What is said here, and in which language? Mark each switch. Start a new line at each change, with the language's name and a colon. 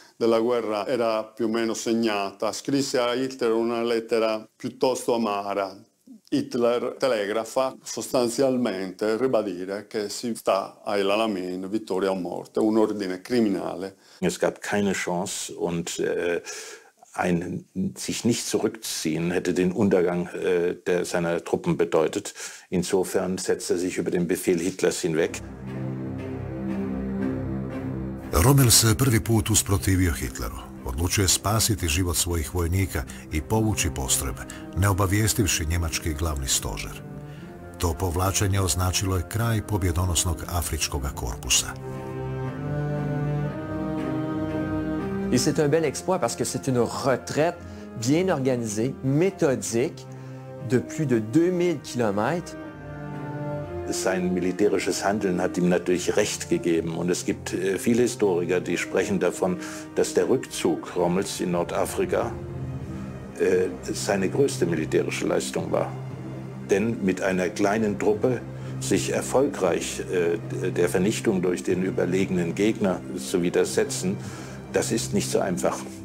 Italian: della guerra era più o meno segnata, scrisse a Hitler una lettera piuttosto amara. Hitler telegrafa sostanzialmente ribadire che si sta a El Alamein, vittoria o morte, un ordine criminale.
German: Es gab keine Chance und ein sich nicht zurückziehen hätte den Untergang seiner Truppen bedeutet. Insofern setzte sich über den Befehl Hitlers hinweg.
Croatian: Rommel se prvi put usprotivio Hitleru. Odlučio je spasiti život svojih vojnika i povući postrojbe, ne obavijestivši njemački glavni stožer. To povlačenje označilo je kraj pobjedonosnog afričkog korpusa.
French: I c'est un bel exploit parce que c'est une retraite bien organisée, méthodique de plus de 2000 km.
German: Sein militärisches Handeln hat ihm natürlich Recht gegeben und es gibt viele Historiker, die sprechen davon, dass der Rückzug Rommels in Nordafrika seine größte militärische Leistung war. Denn mit einer kleinen Truppe sich erfolgreich der Vernichtung durch den überlegenen Gegner zu widersetzen, das ist nicht so einfach.